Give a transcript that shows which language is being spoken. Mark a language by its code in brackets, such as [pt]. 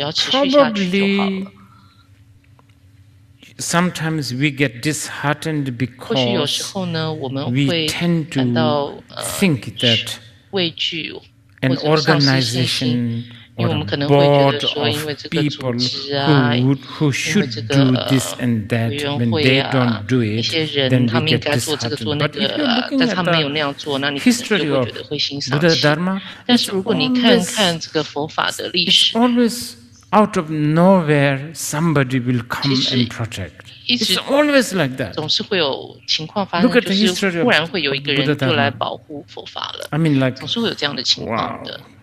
[en] Probably, sometimes we get disheartened because we tend to think that an organization. [zh] 因为我们可能会觉得说，因为这个组织啊，因为这个委员会啊，那些人他们应该做这个做那个，但是他没有那样做，那你可能就会觉得会心丧气。但是如果你看看这个佛法的历史。 [en] Out of nowhere, somebody will come and protect. It's always like that. [zh] 总是会有情况发生，就是忽然会有一个人就来保护佛法了。 [en] I mean, like, [zh] 总是会有这样的情况的。